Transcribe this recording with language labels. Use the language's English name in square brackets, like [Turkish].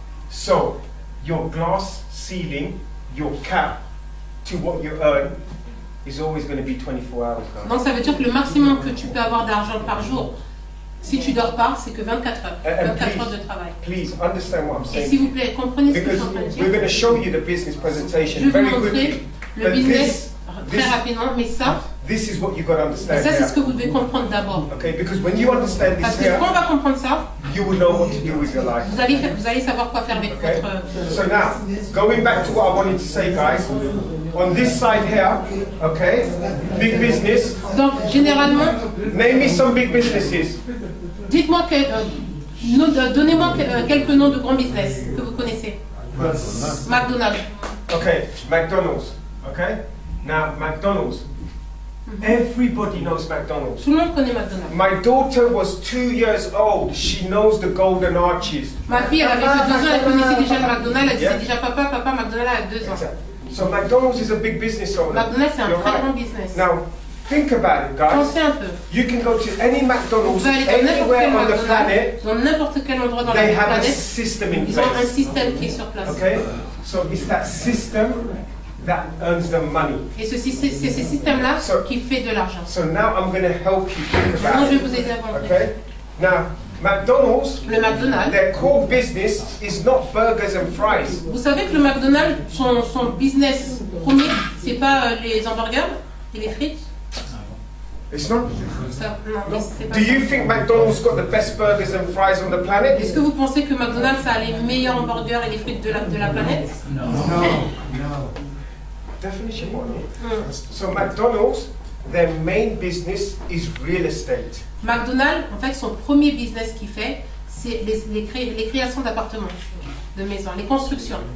[English] So, your glass ceiling, your cap to what you earn is always going to be 24 hours. [French] Donc ça veut dire que le maximum que tu peux avoir d'argent par jour, si tu dors pas, c'est que 24 heures. 24 heures de travail. [English] Please understand what I'm saying. [French] Et s'il vous plaît, comprenez ce que je suis en train de dire. [English] We're going to show you the business presentation. [French] Je vais [English] very [French] vous montrer [English] quickly, [French] le business très rapidement, mais ça. [English] This is what you've got to understand. [French] Et ça, c'est ce que vous devez comprendre d'abord. [English] Okay, because when you understand this, [French] parce que quand on va comprendre ça, [English] you will know what to do with your life. [French] Vous allez savoir quoi faire avec [English] okay. [French] votre. [English] So now, going back to what I wanted to say, guys, on this side here, okay, big business. [French] Donc généralement. [English] Name me some big businesses. [French] Dites-moi que, donnez-moi quelques noms de grands business que vous connaissez. [English] McDonald's. Okay, McDonald's. Okay, now McDonald's. Everybody knows McDonald's. [French] Tout le monde connaît McDonald's. [English] My daughter was 2 years old. She knows the Golden Arches. [French] Ma fille avait 2 ans. Elle connaissait déjà McDonald's. Elle disait déjà papa, McDonald's a 2 ans. [English] So McDonald's is a big business owner. [French] McDonald's c'est un très grand business. [English] Now, think about it, guys. [French] Pensez un peu. [English] You can go to any McDonald's anywhere on the planet. [French] Dans n'importe quel endroit dans la [English] planète. They have a system in place. [French] Ils ont un système qui est sur place. [English] Okay, so it's that system that earns them money. [French] Et c'est ce système-là qui fait de l'argent. [English] So now I'm going to help you think about it. [French] Maintenant, je vais vous aider à comprendre. [English] Okay. Now, McDonald's. [French] Le McDonald's. [English] Their core business is not burgers and fries. [French] Vous savez que le McDonald's, son business premier, c'est pas les hamburgers et les frites. [English] It's not. [French] Non, [English] do you think McDonald's got the best burgers and fries on the planet? [French] Est-ce que vous pensez que McDonald's a les meilleurs hamburgers et les frites de la planète? Non. [English] Definition one. So McDonald's, their main business is real estate. [French] McDonald's, en fait, son premier business qu'il fait, c'est les créations d'appartements, de maisons, les constructions.